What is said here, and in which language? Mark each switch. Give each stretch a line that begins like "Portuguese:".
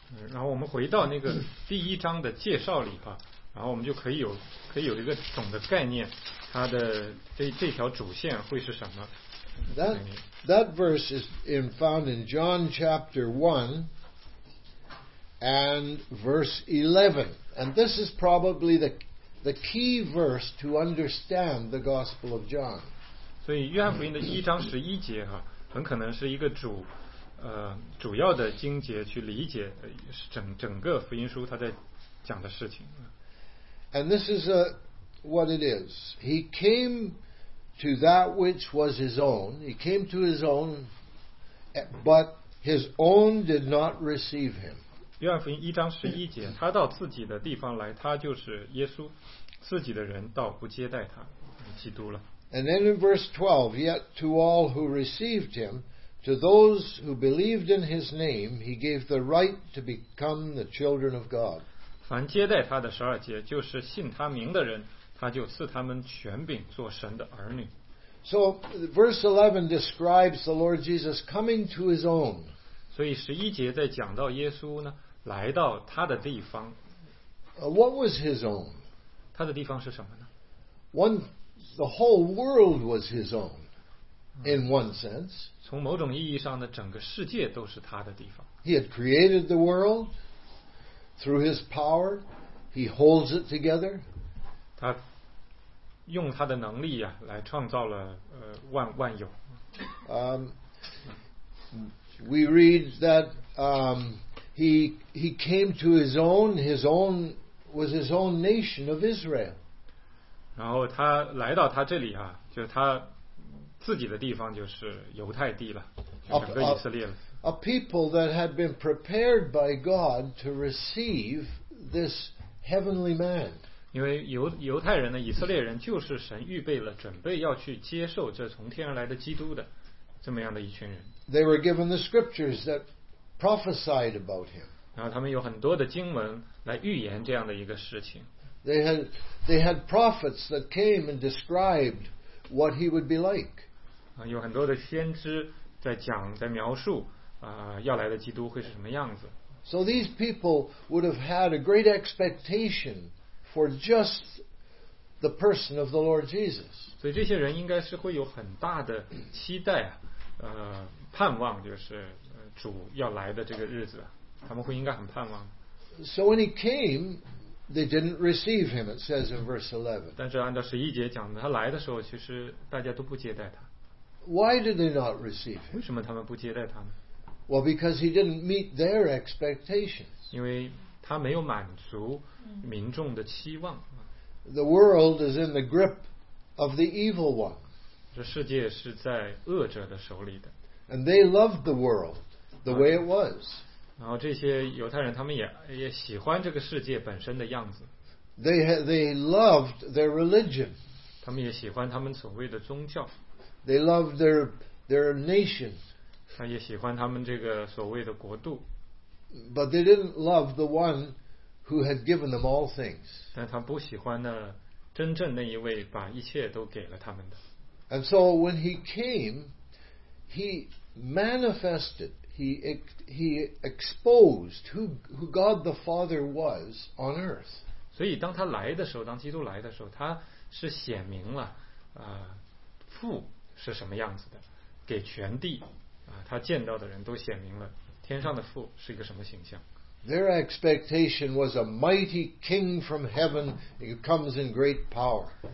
Chinese: 然后我们回到那个第一章的介绍里哈，然后我们就可以有一个总的概念，它的这条主线会是什么。
English: That verse is in, found in John chapter 1 and verse 11. And this is probably the key verse to understand the Gospel of John.
Chinese: 所以约翰福音的一章十一节哈，很可能是一个主主要的经节去理解整个福音书他在讲的事情。
English: And this is what it is. He came to that which was his own. He came to his own, but his own did not receive him.
Chinese: 约翰福音一章十一节，他到自己的地方来，他就是耶稣，自己的人倒不接待他，基督了。
English: And then in verse 12, yet to all who received him, to those who believed in his name, he gave the right to become the children of God.
Chinese: 凡接待他的十二节，就是信他名的人，他就赐他们权柄做神的儿女。
English: So verse 11 describes the Lord Jesus coming to his own.
Chinese: 所以十一节在讲到耶稣呢，来到他的地方。
English: What was his own?
Chinese: 他的地方是什么呢？
English: The whole world was his own, in one sense.
Chinese: 从某种意义上呢，整个世界都是他的地方。
English: He had created the world through his power. He holds it together.
Chinese: 他用他的能力呀，来创造了万有。
English: We read that he came to his own was his own nation of Israel.
Chinese: 然后他来到他这里啊，就是他自己的地方，就是犹太地了，就整个以色列了。
English: A people that had been prepared by God to receive this heavenly man.
Chinese: 因为犹太人呢，以色列人就是神预备了，准备要去接受这从天而来的基督的这么样的一群人。
English: They were given the scriptures that prophesied about him.
Chinese: 然后他们有很多的经文来预言这样的一个事情。
English: They had prophets that came and described what he would be like.
Chinese: 有很多的先知在讲，在描述，要来的基督会是什么样子。
English: So these people would have had a great expectation for just the person of the Lord Jesus.
Chinese: 所以这些人应该是会有很大的期待，盼望，就是主要来的这个日子，他们会应该很盼望。
English: So when he came. They didn't receive him, it says in verse 11.
Chinese: 但是按照十一节讲的，他来的时候，其实大家都不接待他。
English: Why did they not receive him?
Chinese: 为什么他们不接待他呢？
English: Well, because he didn't meet their expectations.
Chinese: 因为他没有满足民众的期望。
English: The world is in the grip of the evil one.
Chinese: 这世界是在恶者的手里的。
English: And they loved the world the way it was.
Chinese: 然后这些犹太人他们也喜欢这个世界本身的样子。
English: They loved their religion.
Chinese: 他们也喜欢他们所谓的宗教。
English: They loved their nation.
Chinese: 他也喜欢他们这个所谓的国度。
English: But they didn't love the one who had given them all things.
Chinese: 但他不喜欢呢真正那一位把一切都给了他们的。
English: And so when he came, he manifested. He exposed who God the Father was on earth.
Chinese: 所以当他来的时候，当基督来的时候，他是显明了父是什么样子的，给全地他见到的人都显明了天上的父是一个什么形象。
English: Their expectation was a mighty king from heaven who comes in great power.